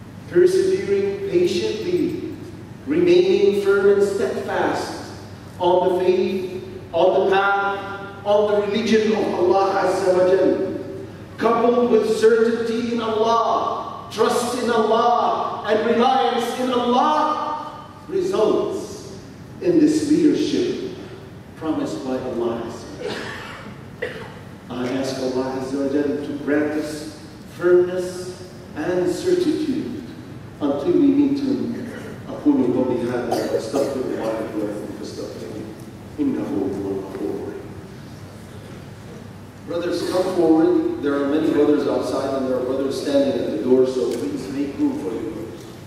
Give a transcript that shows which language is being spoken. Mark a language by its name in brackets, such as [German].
[English] Persevering patiently, remaining firm and steadfast on the faith, on the path, on the religion of Allah Azza wa Jalla, coupled with certainty in Allah, trust in Allah, and reliance in Allah, results in this leadership promised by Allah Azza wa Jalla. I ask Allah Azza wa Jalla to grant us firmness and certitude until we meet Him. [Arabic] أقول قولي هذا واستغفر الله لي ولكم فاستغفروه إنه هو الغفور. [English] Brothers, come forward. There are many brothers outside and there are brothers standing at the door, so please make room for your brothers.